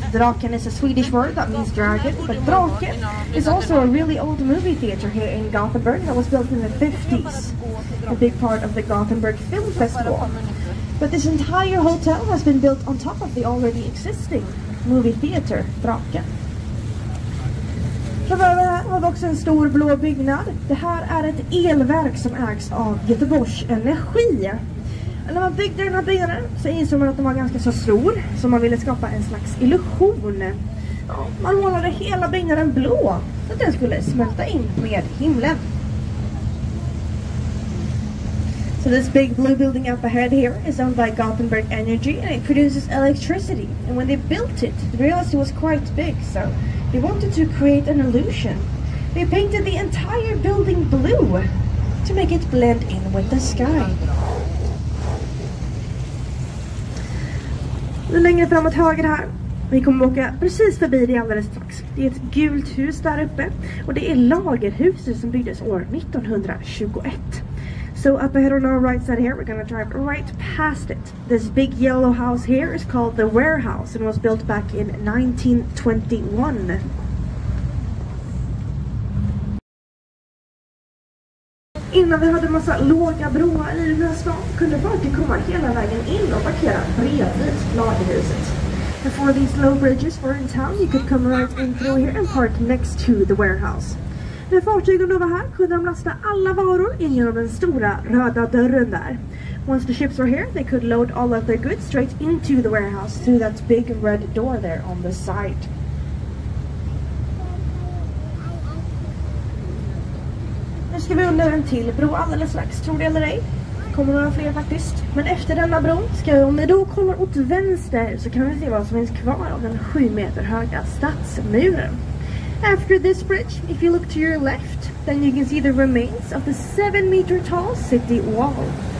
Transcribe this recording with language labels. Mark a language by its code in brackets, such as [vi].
[en] Draken is a Swedish word that means dragon, but Draken is also a really old movie theater here in Gothenburg that was built in the 50s, a big part of the Gothenburg Film Festival. But this entire hotel has been built on top of the already existing movie theater, Draken. [sv] Framöver här har vi också en stor blå byggnad. Det här är ett elverk som ägs av Göteborgs Energi. När man byggde den här byggnaden så insåg man att den var ganska så stor, så man ville skapa en slags illusion. Man målade hela byggnaden blå så att den skulle smälta in med himlen. [en] So this big blue building up ahead here is owned by Gothenburg Energy and it produces electricity. And when they built it, they realized it was quite big, so they wanted to create an illusion. They painted the entire building blue to make it blend in with the sky. [sv] Längre framåt höger här. Vi kommer åka precis förbi det alldeles strax. Det är ett gult hus där uppe. Och det är lagerhuset som byggdes år 1921. [en] So up ahead on our right side here, we're gonna drive right past it. This big yellow house here is called the warehouse and was built back in 1921. [sv] Innan vi hade en massa låga broar i den här stan kunde folk komma hela vägen in och parkera bredvid lagerhuset. [en] Before these low bridges were in town, you could come right in through here and park next to the warehouse. [sv] När fartygen då var här kunde de lasta alla varor in genom den stora röda dörren där. [en] Once the ships were here, they could load all of their goods straight into the warehouse through that big red door there on the side. [sv] Nu ska vi under en till bro alldeles strax, tror du eller ej? kommer några fler faktiskt. Men efter denna bron ska vi, om vi då kollar åt vänster, så kan vi se vad som finns kvar av den 7 meter höga stadsmuren. [en] After this bridge, if you look to your left, then you can see the remains of the 7 meter tall city wall.